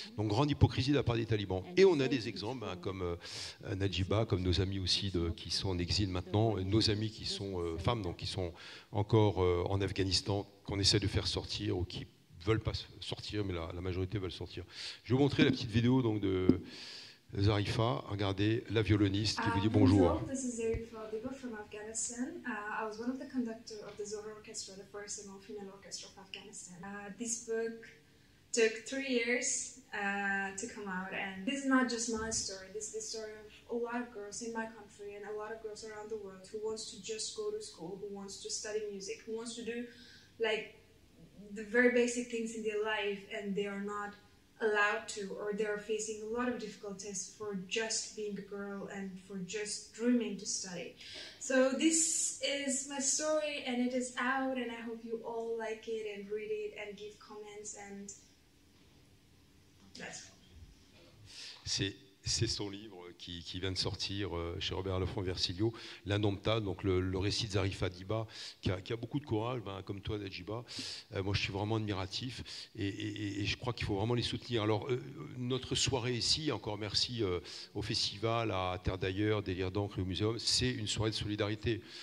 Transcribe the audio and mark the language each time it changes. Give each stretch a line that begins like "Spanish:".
French: Donc grande hypocrisie de la part des talibans. Et on a des exemples hein, comme Najiba, comme nos amis aussi qui sont en exil maintenant, nos amis qui sont femmes, donc qui sont encore en Afghanistan, qu'on essaie de faire sortir ou qui ne veulent pas sortir, mais la majorité veulent sortir. Je vais vous montrer la petite vidéo donc, de Zarifa, regardez la violoniste qui vous dit bonjour.
English: This is Zarifa Abiba from Afghanistan. I was one of the conductors of the Zora Orchestra, the first and all female orchestra of Afghanistan. This book took 3 years to come out, and this is not just my story. This is the story of a lot of girls in my country and a lot of girls around the world who wants to just go to school, who wants to study music, who wants to do like the very basic things in their life, and they are not allowed to, or they are facing a lot of difficulties for just being a girl and for just dreaming to study. So this is my story, and it is out, and I hope you all like it and read it and give comments, and that's all.
French: C'est son livre qui vient de sortir chez Robert Laffont Versilio, L'Indomptable, donc le récit de Zarifa Diba, qui a beaucoup de courage, ben, comme toi, Najiba. Moi, je suis vraiment admiratif et je crois qu'il faut vraiment les soutenir. Alors, notre soirée ici, encore merci au festival, à Terre d'ailleurs, Délire d'encre et au muséum, c'est une soirée de solidarité.